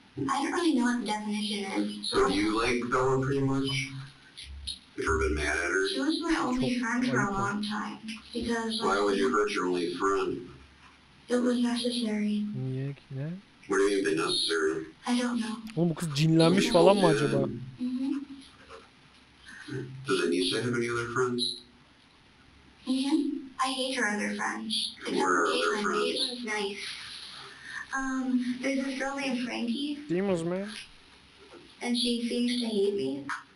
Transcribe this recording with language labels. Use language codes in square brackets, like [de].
[en] I don't really know what the definition is. So you like Bella pretty much? You've ever been mad at her? She was my only friend for a long time. Because... Why would you hurt your only friend? It was necessary. What do you mean necessary? I don't know. [tr] Oğlum bu kız cinlenmiş falan mı acaba? [en] Does Anissa have any other friends? Mm-hmm. I hate her other friends. Where are her friends? Caitlin's nice. There's this girl named Frankie. Demons, man. And she seems to hate me.